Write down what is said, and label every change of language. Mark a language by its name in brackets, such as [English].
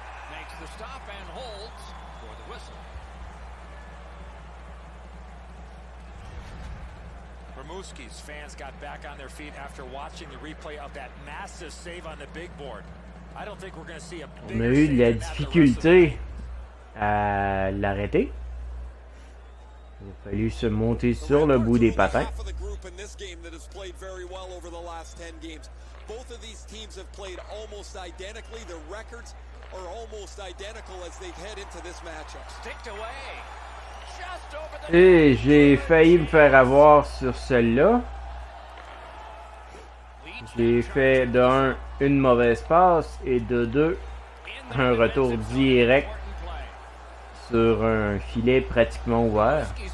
[English] Makes the stop and holds for the whistle. Rimouski's fans got back on their feet after watching the replay of that massive save on the big board. I don't think we're going to see a big save. [French] On a eu de la difficulté à l'arrêter. Il a fallu se monter sur le bout des patins. [English] Half of the group in this game that has played very well over the last 10 games. Both of these teams have played almost identically. Their records are almost identical as they head into this matchup. Sticked away. [French] Et j'ai failli me faire avoir sur celle-là. J'ai fait d'un une mauvaise passe et de deux un retour direct sur un filet pratiquement ouvert.